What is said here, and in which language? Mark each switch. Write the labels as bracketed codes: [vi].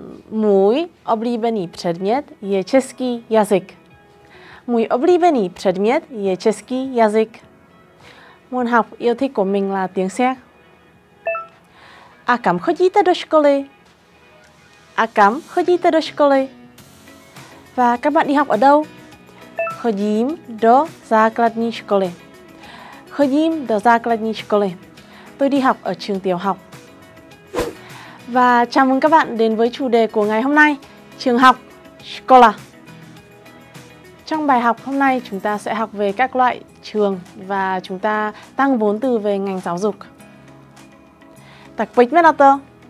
[cs] Můj oblíbený předmět je český jazyk. Můj oblíbený předmět je český jazyk. [vi] Môn học yêu thích của mình là tiếng Séc. [cs] A kam chodíte do školy? A kam chodíte do školy? [vi] Và các bạn đi học ở đâu? [cs] Chodím do základní školy. Chodím do základní školy. [vi] Tôi đi học ở trường tiểu học. Và chào mừng các bạn đến với chủ đề của ngày hôm nay, trường học, škola. Trong bài học hôm nay, chúng ta sẽ học về các loại trường và chúng ta tăng vốn từ về ngành giáo dục. [cs] Tak pojďme na to.